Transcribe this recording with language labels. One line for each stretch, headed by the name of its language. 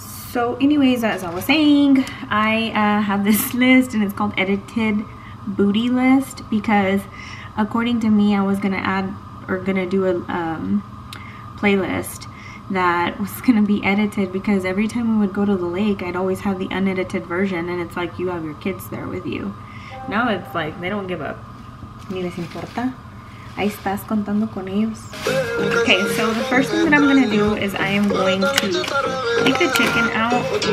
English: So anyways, as I was saying, I have this list and it's called edited booty list because according to me, I was gonna add or gonna do a playlist that was gonna be edited because every time we would go to the lake, I'd always have the unedited version and it's like you have your kids there with you. Now it's like they don't give up.
Spanish: Ni les importa. Ahí estás contando con ellos.
English: Okay, so the first thing that I'm gonna do is I am going to take the chicken out.